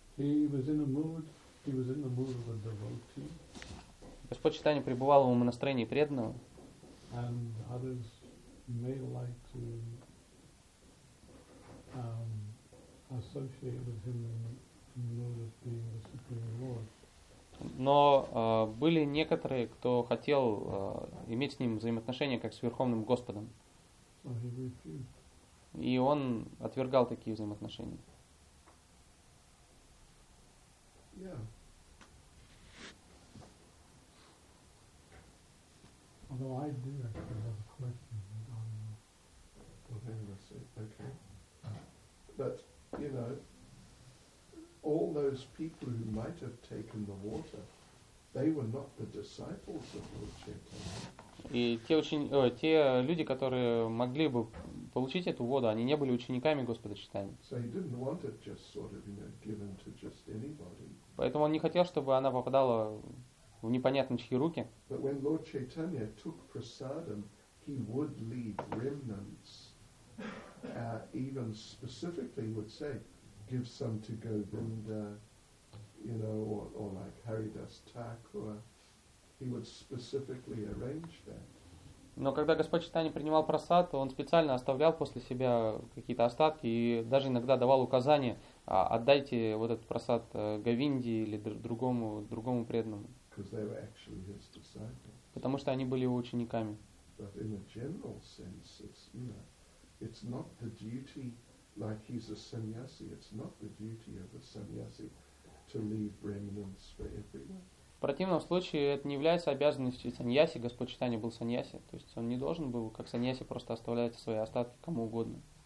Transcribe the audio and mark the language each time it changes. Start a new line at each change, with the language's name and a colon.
English: He was in the mood of a devotee.
Russian: Господь Чайтанья пребывал в настроении преданного.
English: And others may like to associate with him in the mood of being the Supreme Lord.
Russian: Но были некоторые, кто хотел иметь с ним взаимоотношения как с Верховным Господом.
English: So he refused.
Russian: И он отвергал такие взаимоотношения.
English: Yeah. Although I do actually have a question on the suit, okay. But you know, all those people who might have taken the water, they were not the disciples of Lord Chaitanya.
Russian: И те, те люди, которые могли бы получить эту воду, они не были учениками Господа Чайтаньи.
English: So he didn't want it just sort of, you know, given to just anybody.
Russian: Поэтому он не хотел, чтобы она попадала в непонятно чьи руки.
English: But when Lord Chaitanya took prasadam, he would leave remnants, even specifically would say, give some to Govinda, you know, or like Haridas Thakur. He would specifically arrange that.
Russian: Но когда Господь Чайтанья принимал прасад, он специально оставлял после себя какие-то остатки и даже иногда давал указания: отдайте вот этот прасад Говинде или другому преданному.
English: Because they were actually his disciples.
Russian: Потому что они были его учениками.
English: But in a general sense, it's, you know, it's not the duty, like he's a sannyasi, it's not the duty of a sannyasi to leave remnants for everyone.
Russian: В противном случае это не является обязанностью саньяси, Господь Чайтанья был саньяси. То есть он не должен был, как саньяси, просто оставлять свои остатки кому угодно.